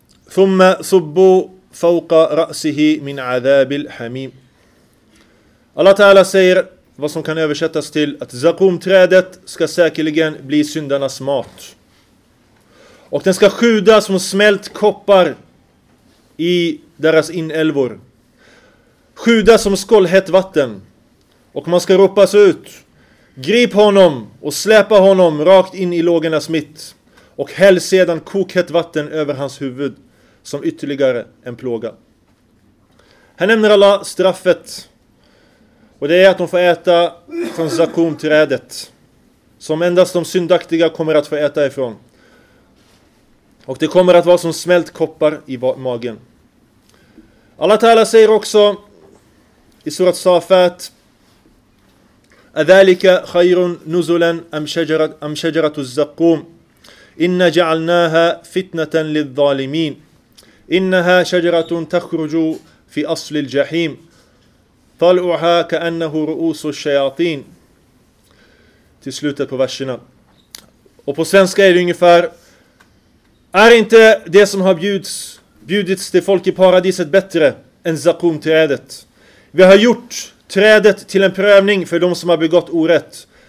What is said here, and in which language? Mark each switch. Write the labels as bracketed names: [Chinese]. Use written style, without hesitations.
[Arabic] ثم صبوا فوق رأسه من عذاب الحميم. [Swedish] Allah Ta'ala säger, vad som kan översättas till att zakumträdet ska säkerligen bli syndarnas mat. Och den ska sjuda som smält koppar i deras inälvor. Sjuda som skållhett vatten. Och man ska ropas ut: grip honom och släpa honom rakt in i lågornas mitt. Och häll sedan kokhett vatten över hans huvud som ytterligare en plåga. Här nämner Allah straffet. Och det är att de får äta från zakumträdet, som endast de syndaktiga kommer att få äta ifrån. Och det kommer att vara som smält koppar i magen. [Arabic] Allah Ta'ala säger också i surat Safat: أَذَلِكَ خَيْرٌ نُزُلًا أَمْ شَجَرَةُ الزَّقُّومِ إِنَّ جَعَلْنَاهَا فِتْنَةً لِلظَّالِمِينَ إِنَّهَا شَجَرَةٌ تَخْرُجُ فِي أَصْلِ الْجَحِيمِ طَلْعُهَا كَأَنَّهُ رُؤُوسُ الشَّيَاطِينَ. [Swedish] Till slutet på verserna. Och på svenska är det ungefär: är inte det som har bjudits till folk i paradiset bättre än zakumträdet? Vi har gjort trädet till en prövning för de som har begått orätt.